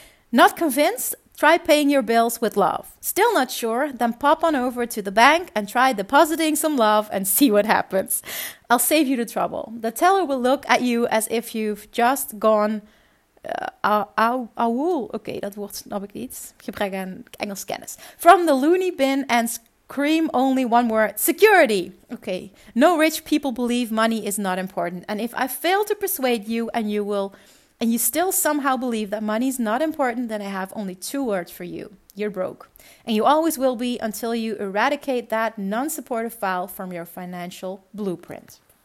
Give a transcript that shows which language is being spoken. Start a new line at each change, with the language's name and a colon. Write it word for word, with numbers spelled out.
English: Not convinced? Try paying your bills with love. Still not sure? Then pop on over to the bank and try depositing some love and see what happens. I'll save you the trouble. The teller will look at you as if you've just gone...
Dutch: Uh, Oké, okay, dat woord snap ik niet. Gebrek aan Engels kennis.
English: From the loony bin and scream only one word. Security! Okay. No rich people believe money is not important. And if I fail to persuade you and you will... and you still somehow believe that money's not important, then I have only two words for you. You're broke. And you always will be until you eradicate that non-supportive file from your financial blueprint.